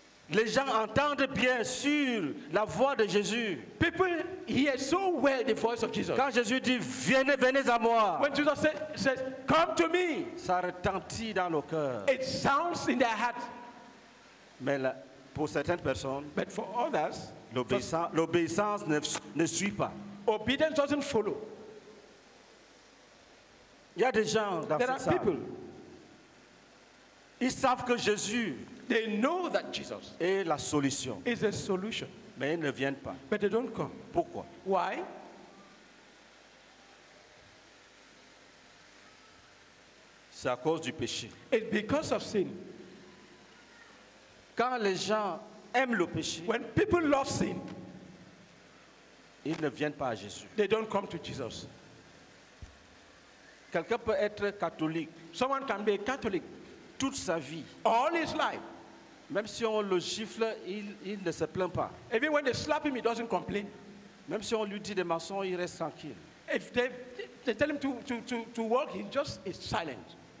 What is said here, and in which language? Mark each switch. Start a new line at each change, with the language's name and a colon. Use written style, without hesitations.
French: Les gens entendent bien sur la voix de Jésus.
English: People hear so well the voice of Jesus.
French: Quand Jésus dit venez, venez à moi.
English: When Jesus says come to me.
French: Ça retentit dans le cœur.
English: It sounds in their heart.
French: Mais là, pour certaines personnes,
English: but for others,
French: l'obéissance ne suit pas.
English: Obedience doesn't follow.
French: Il y a des gens dans
English: there
French: cette salle.
English: People.
French: Ils savent que Jésus.
English: They know that Jesus
French: est la solution.
English: Is a solution.
French: Mais ils ne viennent pas.
English: But they don't come.
French: Pourquoi?
English: Why?
French: C'est à cause du péché.
English: It's because of sin.
French: Quand les gens aiment le péché,
English: when people love sin,
French: ils ne viennent pas à Jésus.
English: They don't come to Jesus.
French: Quelqu'un peut être catholique.
English: Someone can be a Catholic.
French: Toute sa vie.
English: All his life.
French: Même si on le gifle, il ne se plaint pas.
English: Even when they slap him, he doesn't complain.
French: Même si on lui dit des mensonges, il reste tranquille.
English: If they tell him to work, he just is silent.